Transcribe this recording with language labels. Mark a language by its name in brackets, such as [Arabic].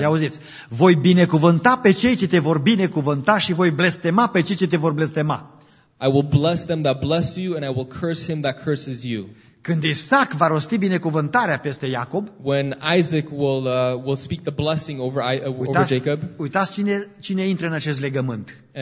[Romanian] Ia auziți, voi binecuvânta pe cei ce te vor binecuvânta și voi blestema pe cei ce te vor blestema. [English] I will bless them that bless you and I will curse him that curses you. [Romanian] Când Isaac va rosti binecuvântarea peste Iacob, [English] when Isaac will speak the blessing over Jacob. [Romanian] Uitați cine intră în acest legământ.